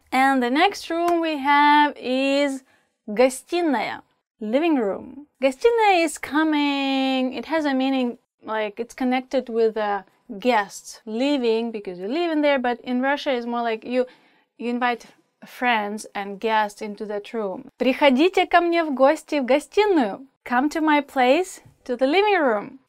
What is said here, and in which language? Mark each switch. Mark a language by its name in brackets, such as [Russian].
[English] And the next room we have is гостиная, living room. Гостиная is coming, it has a meaning, like, it's connected with a guests living because you live in there, but in Russia it's more like you invite friends and guests into that room. [Russian] Приходите ко мне в гости в гостиную. [English] Come to my place, to the living room.